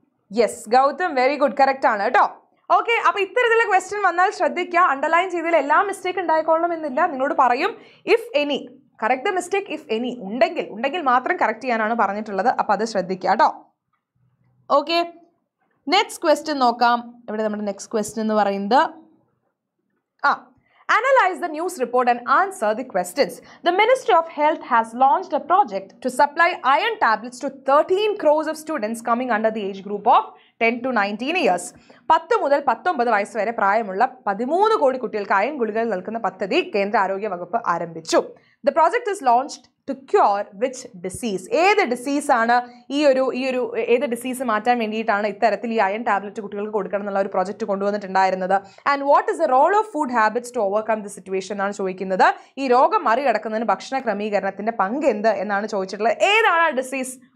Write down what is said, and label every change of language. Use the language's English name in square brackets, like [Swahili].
[Malayalam] Yes Gautam, very good, correct ആണ് കേട്ടോ. Okay, അപ്പൊ ഇത്തരത്തിലെ ക്വസ്റ്റ്യൻ വന്നാൽ ശ്രദ്ധിക്കുക, അണ്ടർലൈൻ ചെയ്തതിൽ എല്ലാ മിസ്റ്റേക്ക് ഉണ്ടായിക്കൊള്ളണം എന്നില്ല, നിങ്ങളോട് പറയും [English] if any correct the mistake, if any [Malayalam] ഉണ്ടെങ്കിൽ മാത്രം കറക്റ്റ് ചെയ്യാനാണ് പറഞ്ഞിട്ടുള്ളത്. അപ്പൊ അത് ശ്രദ്ധിക്കുക കേട്ടോ. ഓക്കെ, നെക്സ്റ്റ് ക്വസ്റ്റ്യൻ നോക്കാം. ഇവിടെ നമ്മുടെ നെക്സ്റ്റ് ക്വസ്റ്റ്യൻ എന്ന് പറയുന്നത് [English] Analyze the news report and answer the questions. The Ministry of Health has launched a project to supply iron tablets to 13 crores of students coming under the age group of 10 to 19 years. [Malayalam] 10 മുതൽ 19 വയസ്സ് വരെ പ്രായമുള്ള 13 കോടി കുട്ടികൾക്ക് iron ഗുളികകൾ നൽകുന്ന പദ്ധതി കേന്ദ്ര ആരോഗ്യ വകുപ്പ് ആരംഭിച്ചു. [English] The project is launched to cure which disease? [Malayalam] ഏത് ഡിസീസ് ആണ് ഈ ഒരു ഏത് ഡിസീസ് മാറ്റാൻ വേണ്ടിയിട്ടാണ് ഇത്തരത്തിൽ ഈ അയൺ ടാബ്ലറ്റ് കുട്ടികൾക്ക് കൊടുക്കണം എന്നുള്ള ഒരു project കൊണ്ടുവന്നിട്ടുണ്ടായിരുന്നത്? [English] and what is the role of food habits to overcome the situation [Malayalam] എന്നാണ് ചോദിക്കുന്നത്. ഈ രോഗം മറികടക്കുന്നതിന് ഭക്ഷണ ക്രമീകരണത്തിന്റെ പങ്ക് എന്ത് എന്നാണ് ചോദിച്ചിട്ടുള്ളത്. ഏതാണ് ആ ഡിസീസ്?